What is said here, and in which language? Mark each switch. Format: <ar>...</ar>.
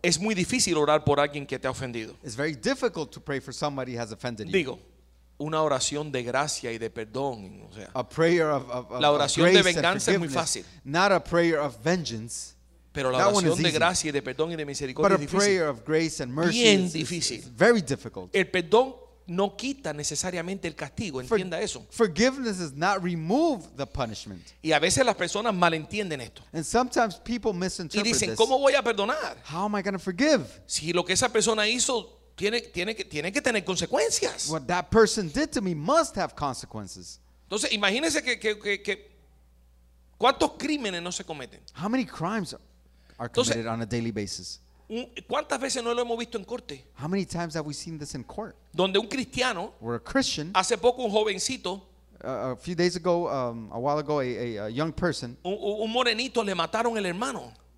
<es>Es muy difícil orar por alguien que te ha ofendido.</es> <en>It's very difficult to pray for somebody who has offended you.</en> <es>Digo, una oración de gracia y de perdón, o sea,</es> <en>a prayer of</en> <es>la oración de venganza es muy fácil.</es> <en>Not a prayer of vengeance.</en> <es>Pero la oración de gracia y de perdón y de misericordia es difícil.</es> <en>But a prayer of grace and mercy</en> <es>bien difícil.</es> <en>Is very difficult.</en> <es>El perdón no quita necesariamente el castigo, entienda eso.</es> <en>Forgiveness does not remove the punishment.</en> <es>Y a veces las personas malentienden esto.</es> <en>And sometimes people misinterpret this.</en> <es>Y dicen, ¿cómo voy a perdonar?</es> <en>How am I going to forgive?</en> <es>Si lo que esa persona hizo tiene que tener consecuencias.</es> <en>What that person did to me must have consequences.</en> <es>Entonces, imagínese que ¿cuántos crímenes no se cometen?</es> <en>How many crimes are committed</en> <es>Entonces,</es> <en>on a daily basis?</en> <es>¿Cuántas veces no lo hemos visto en corte?</es> <en>How many times have we seen this in court?</en> <es>Donde un cristiano,</es> <en>where a Christian,</en> <es>hace poco un jovencito,</es> <en>a few days ago, a while ago, a young person,</en> <es>un morenito le mataron el hermano.</es>